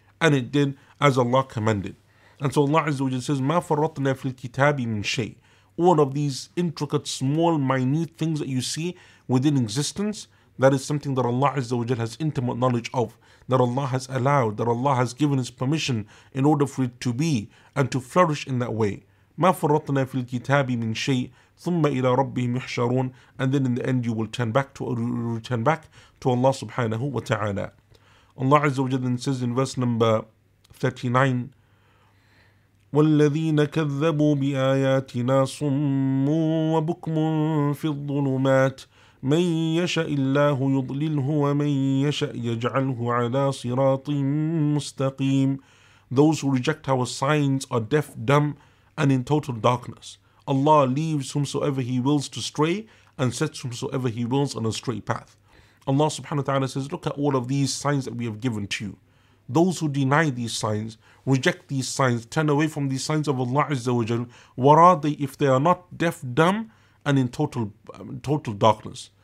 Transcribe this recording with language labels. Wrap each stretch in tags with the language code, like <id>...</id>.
<en>And it did as Allah commanded. And so Allah Azza wa Jalla says,</en> <ar>مَا فَرَّطْنَا فِي الْكِتَابِ مِنْ شَيْءٍ,</ar> <en>all of these intricate, small, minute things that you see within existence, that is something that Allah Azza wa Jalla has intimate knowledge of, that Allah has allowed, that Allah has given His permission in order for it to be and to flourish in that way.</en> <ar>مَا فَرَّطْنَا فِي الْكِتَابِ مِنْ شَيْءٍ ثُمَّ إِلَىٰ رَبِّهِمْ يُحْشَرُونَ,</ar> <en>and then in the end you will return back to Allah subhanahu wa ta'ala.</en> <ar>Allah Azza wa Jalla</ar> <en>then says in verse number 39,</en> <ar>وَالَّذِينَ كَذَّبُوا بِآيَاتِنَا صُمٌّ وَبُكْمٌ فِي الظُّلُمَاتِ مَنْ يَشَأِ اللَّهُ يُضْلِلْهُ وَمَنْ يَشَأْ يَجْعَلْهُ عَلَىٰ صِرَاطٍ مُسْتَقِيمٍ.</ar> <en>Those who reject our signs are deaf, dumb, and in total darkness. Allah leaves whomsoever He wills to stray and sets whomsoever He wills on a straight path. Allah subhanahu wa ta'ala says, look at all of these signs that we have given to you. Those who deny these signs, reject these signs, turn away from these signs of Allah Azza wa Jal, what are they if they are not deaf, dumb, and in total darkness?</en>